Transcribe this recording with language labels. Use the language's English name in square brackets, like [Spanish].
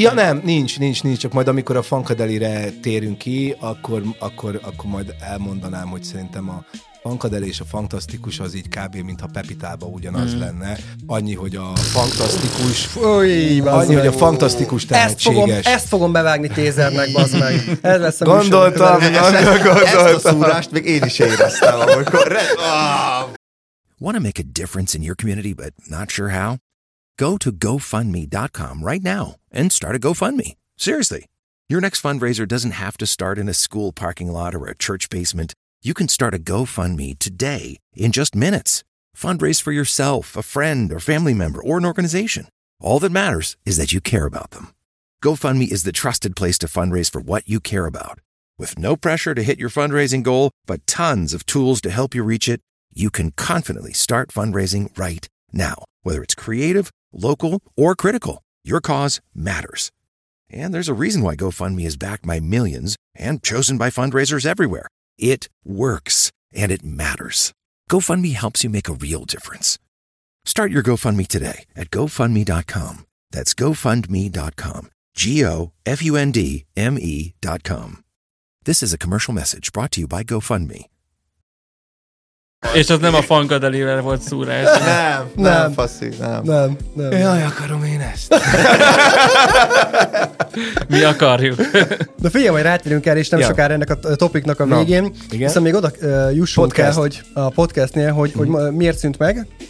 [Hungarian] Ja nem, nincs, csak majd amikor a Funkadelire térünk ki, akkor majd elmondanám, hogy szerintem a Funkadeli és a Funktasztikus az így kb. Mintha Pepitában ugyanaz lenne. Annyi, hogy a Funktasztikus... hogy a Funktasztikus tehetséges. Ezt fogom bevágni tézernek, bazd meg. Ez lesz a gondoltam, gondoltam. Ezt a szúrást még én is éreztem, amikor... [English] Want to make a difference in your community, but not sure how? Go to GoFundMe.com right now and start a GoFundMe. Seriously. Your next fundraiser doesn't have to start in a school parking lot or a church basement. You can start a GoFundMe today in just minutes. Fundraise for yourself, a friend, or family member, or an organization. All that matters is that you care about them. GoFundMe is the trusted place to fundraise for what you care about. With no pressure to hit your fundraising goal, but tons of tools to help you reach it, you can confidently start fundraising right now. Whether it's creative, local, or critical, your cause matters. And there's a reason why GoFundMe is backed by millions and chosen by fundraisers everywhere. It works, and it matters. GoFundMe helps you make a real difference. Start your GoFundMe today at GoFundMe.com. That's GoFundMe.com. GoFundMe.com. This is a commercial message brought to you by GoFundMe. [Hungarian] És az nem a Funkadelivel volt szúrás. Nem, faszi, nem. Nem, nem. Jaj, akarom én ezt. Mi akarjuk. De figyelj, majd rátérünk el, és nem sokára ennek a topiknak a végén. Igen? Hiszen még oda jussunk podcast. El, hogy a podcastnél, hogy miért szűnt meg?